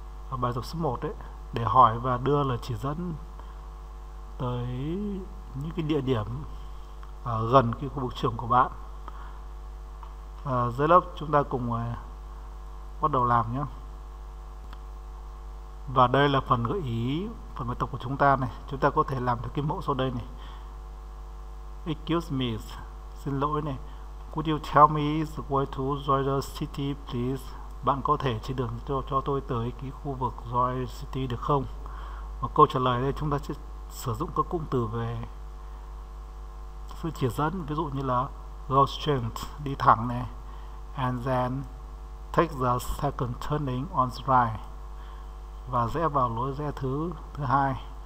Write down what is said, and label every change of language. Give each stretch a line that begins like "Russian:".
Vietnamese: Ở bài tập số 1 ấy, để hỏi và đưa lời chỉ dẫn tới những cái địa điểm ở gần cái khu vực trường của bạn. À, dưới lớp chúng ta cùng bắt đầu làm nhé. Và đây là phần gợi ý, phần bài tập của chúng ta này. Chúng ta có thể làm theo cái mẫu sau đây này.
English: Excuse me,
Vietnamese: xin lỗi này.
English: Could you tell me the way to Joyous City, please?
Vietnamese: Bạn có thể chỉ đường cho tôi tới cái khu vực Joyous City được không? Và câu trả lời đây chúng ta sẽ sử dụng các cụm từ về sự chỉ dẫn, ví dụ như là
English: go straight,
Vietnamese: đi thẳng này,
English: and then take the second turning on the right,
Vietnamese: và rẽ vào lối rẽ thứ hai.